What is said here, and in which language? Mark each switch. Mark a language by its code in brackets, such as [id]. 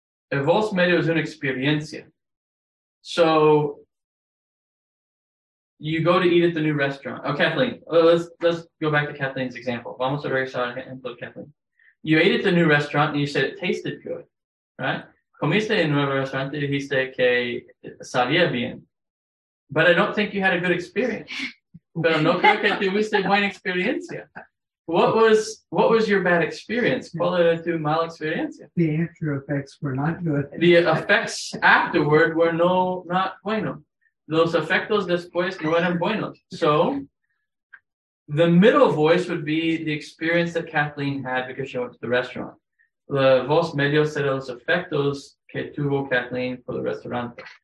[es] El voz medio es una experiencia. [en] So, you go to eat at the new restaurant. Oh, Kathleen, let's go back to Kathleen's example. [es] Vamos a regresar a ejemplo, Kathleen. [en] You ate at the new restaurant and you said it tasted good, right? [es] Comiste en nuevo restaurante y dijiste que sabía bien. [en] But I don't think you had a good experience. [es] Pero no creo que tuviste buena experiencia. [en] What was your bad experience? Qualitative mal experiencia. The after effects were not good. The effects afterward were not bueno. [es] Los efectos después no eran buenos. [en] So the middle voice would be the experience that Kathleen had because she went to the restaurant. [es] La voz medio será los efectos que tuvo Kathleen por el restaurante.